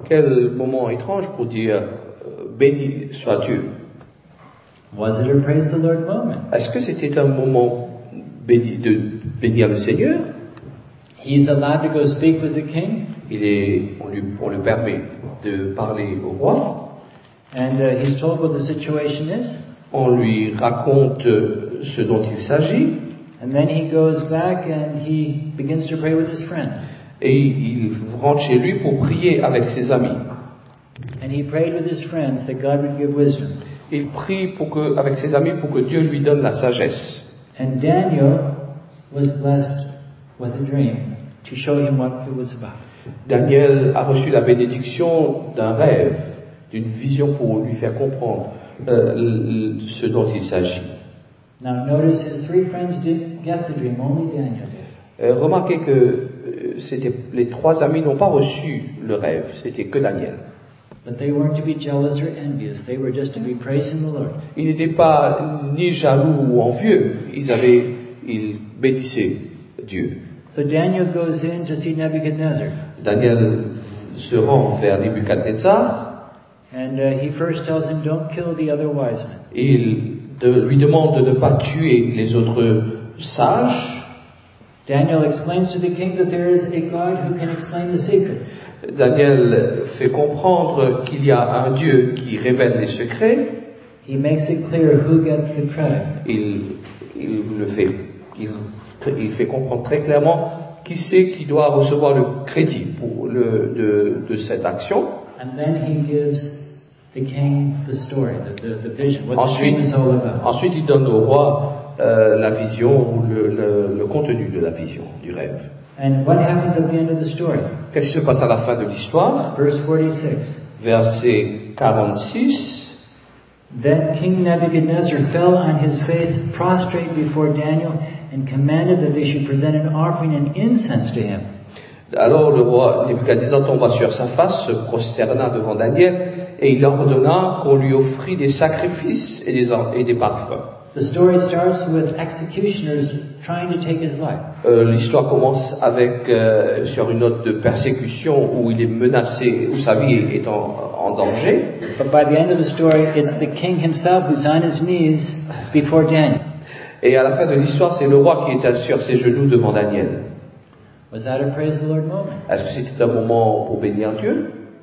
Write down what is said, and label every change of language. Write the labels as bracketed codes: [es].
[fr] Quel moment étrange pour dire béni soit Dieu. [en] Was it a praise the Lord moment? [fr] Est-ce que c'était un moment de bénir le Seigneur? [en] He's allowed to go speak with the king. [fr] On lui permet de parler au roi. [en] And he's told what the situation is. [fr] On lui raconte ce dont il s'agit. [en] And then he goes back and he begins to pray with his friend. [fr] Et il rentre chez lui pour prier avec ses amis. [en] And he prayed with his friends that God would give wisdom. [fr] Il prie avec ses amis pour que Dieu lui donne la sagesse. [en] And Daniel was blessed with a dream to show him what it was about. [fr] Daniel a reçu la bénédiction d'un rêve, d'une vision pour lui faire comprendre ce dont il s'agit. [en] Now notice his three friends didn't get the dream, only Daniel did. [fr] Remarquez que c'était les trois amis n'ont pas reçu le rêve, c'était que Daniel. [en] But they weren't to be jealous or envious. They were just to be praising the Lord. [fr] Ils n'étaient pas ni jaloux ou envieux. Ils bénissaient Dieu. [en] So Daniel goes in to see Nebuchadnezzar. [fr] Daniel se rend vers Nebuchadnezzar. [en] And he first tells him, "Don't kill the other wise men." [fr] Il lui demande de ne pas tuer les autres sages. [en] Daniel explains to the king that there is a God who can explain the secret. [fr] Daniel fait comprendre qu'il y a un Dieu qui révèle les secrets. [en] He makes it clear who gets the credit. [fr] Il fait comprendre très clairement qui c'est qui doit recevoir le crédit de cette action. [en] And then he gives the king the story, the vision, what [fr] ensuite, [en] the dream is all about. [fr] Ensuite, il donne au roi la vision ou le contenu de la vision, du rêve. [en] And what happens at the end of the story? [fr] Qu'est-ce qui se passe à la fin de l'histoire? [en] Verse 46. [fr] Verset 46. [en] Then King Nebuchadnezzar fell on his face, prostrate before Daniel, and commanded that they should present an offering and incense to him. [fr] Alors le roi Nebuchadnezzar tomba sur sa face, se prosterna devant Daniel, et il ordonna qu'on lui offrit des sacrifices et des parfums. [en] The story starts with executioners trying to take his life. [fr] L'histoire commence avec sur une note de persécution où il est menacé, où sa vie est en danger. [en] But by the end of the story, it's the king himself who's on his knees before Daniel. [fr] Et à la fin de l'histoire, c'est le roi qui est sur ses genoux devant Daniel. [en] Was that a praise the Lord moment? [fr] Est-ce que c'était un moment pour bénir Dieu?